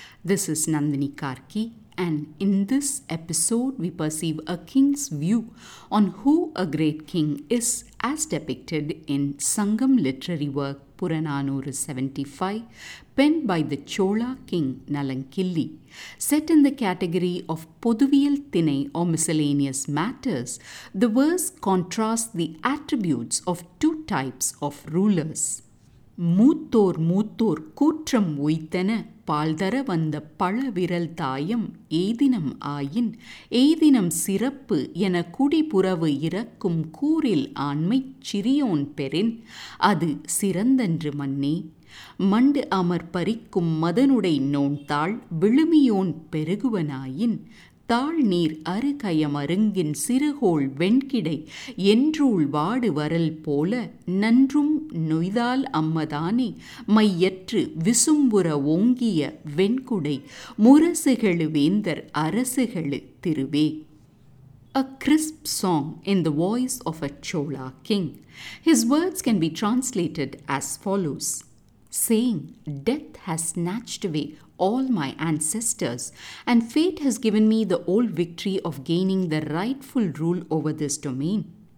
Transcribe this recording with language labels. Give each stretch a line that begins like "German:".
English: This is Nandini Karki, and in this episode we perceive a king's view on who a great king is as depicted in Sangam literary work Purananuru 75 penned by the Chola king Nalankilli. Set in the category of Poduviyal Thinai or miscellaneous matters, the verse contrasts the attributes of two types of rulers.
Tamil: மூத்தோர் மூத்தோர் கூற்றம் உய்த்தன பால் தர வந்த பழ விரல் தாயம் ஏதினம் ஆயின் ஏதினம் சிறப்பு என குடிபுறவு இறக்கும் கூரில் ஆண்மை சிறியோன் பெறின் அது சிறந்தன்று மன்னே மண்டு அமர் பறிக்கும் மதனுடை நோன்தாள் விழுமியோன் பெருகுவனாயின் தாழ் நீர் அருகயமருங்கின் சிறுகோள் வெண்கிடை என்றூள் வாடு வரல் போல நன்றும் நொய்தால் அம்மதானே மையற்று விசும்புற ஓங்கிய வெண்குடை முரசுகளு வேந்தர் அரசுகளு திருவே.
English: A crisp song in the voice of a Chola king. His words can be translated as follows. Saying, death has snatched away all my ancestors, and fate has given me the old victory of gaining the rightful rule over this domain.